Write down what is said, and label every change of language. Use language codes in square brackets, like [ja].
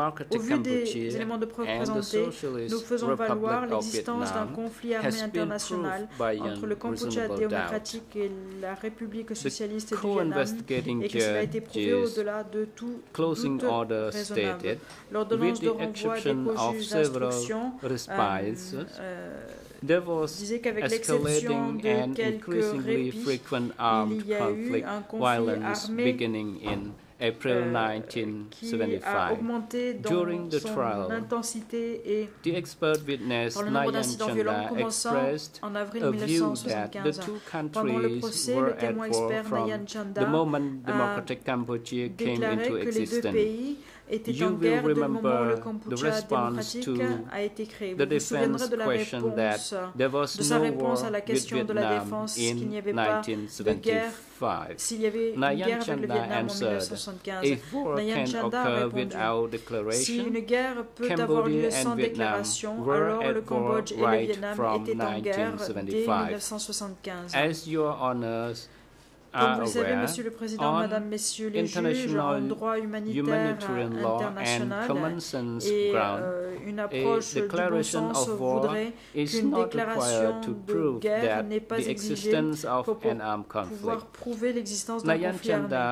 [fr] au vu des éléments de preuve présentés, nous faisons valoir l'existence d'un conflit armé international entre le Cambodge démocratique et la République socialiste du Vietnam et qui a été prouvé au-delà de tout doute raisonnable. L'ordonnance de renvoi des causes d'instruction [en] there was escalating and increasingly frequent armed conflict violence beginning in April 1975. During the trial, the expert witness Nayan Chanda expressed a view that the two countries were at war from the moment Democratic Cambodia came into existence. You will remember the response to the defense question that there was no war with Vietnam in 1975. Nayan Chanda answered, if war can occur without declaration, Cambodia and Vietnam were at war right from 1975. As your honors, [fr] comme vous le savez, Monsieur le Président, Madame, Messieurs les juges, en droit humanitaire international et une approche du bon sens voudrait qu'une déclaration de guerre n'est pas exigée pour pouvoir prouver l'existence d'un conflit armé.